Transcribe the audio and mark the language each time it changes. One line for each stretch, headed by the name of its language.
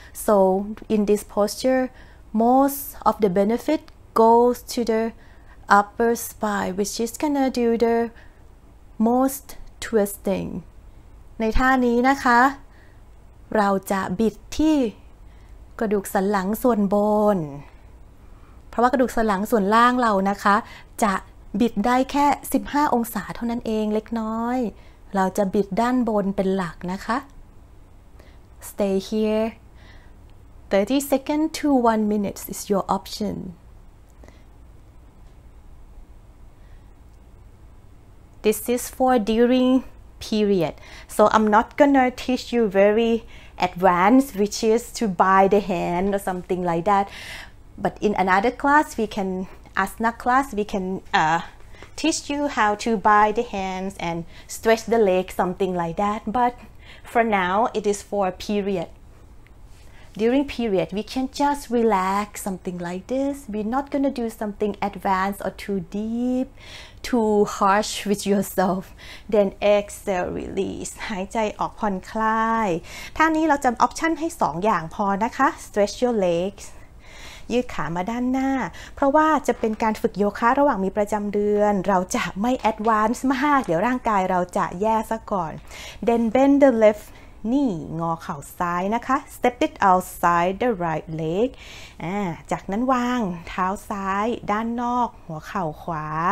English: So in this posture, most of the benefit goes to the upper spine, which is gonna do the mostTwisting
Thai: ในท่านี้นะคะเราจะบิดที่กระดูกสันหลังส่วนบนเพราะว่ากระดูกสันหลังส่วนล่างเรานะคะจะบิดได้แค่15องศาเท่านั้นเองเล็กน้อยเราจะบิดด้านบนเป็นหลักนะคะ
English: Stay here 30 seconds to 1 minutes is your option This is for during period. So I'm not gonna teach you very advanced, which is to buy the hand or something like that. But in another class, we can, asana class, we can teach you how to buy the hands and stretch the leg, something like that. But for now, it is for period. During period, we can just relax, something like this. We're not gonna do something advanced or too deep. Too harsh with yourself. Then exhale, release.
Thai: หายใจออกผ่อนคลายท่านี้เราจะออปชั่นให้สองอย่างพอนะคะ
English: Stretch your legs.
Thai: ยืดขามาด้านหน้าเพราะว่าจะเป็นการฝึกโยคะระหว่างมีประจำเดือนเราจะไม่แอดวานซ์มากเดี๋ยวร่างกายเราจะแย่ซะก่อน
English: Then bend the left knee
Thai: งอเข่าซ้ายนะคะ
English: Step it outside the right leg
Thai: จากนั้นวางเท้าซ้ายด้านนอกหัวเข่าขวา